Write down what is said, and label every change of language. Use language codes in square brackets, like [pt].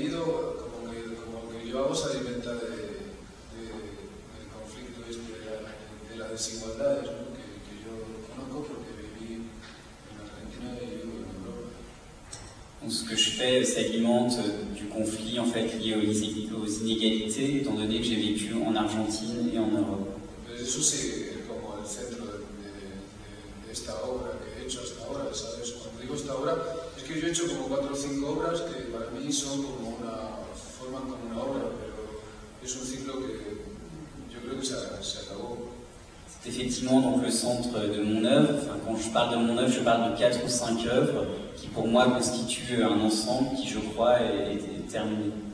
[es] cuenta de el conflicto este de las desigualdades, ¿no? que yo conozco porque viví en Argentina y vivo en Europa. [fr] Donc ce que je fais s'alimente du conflit en fait lié aux inégalités, étant donné que j'ai vécu en Argentine et en Europe. [es] Mais eso sí, como el centro de esta obra que he hecho hasta ahora, ¿sabes? Cuando digo esta obra, es que yo he hecho como 4 o 5 obras que para mí son como una forman como una obra, pero es un ciclo que yo creo que se acabó. [fr] C'est effectivement donc le centre de mon œuvre. Enfin, quand je parle de mon œuvre, je parle de 4 ou 5 œuvres qui pour moi constituent un ensemble qui, je crois, est terminé.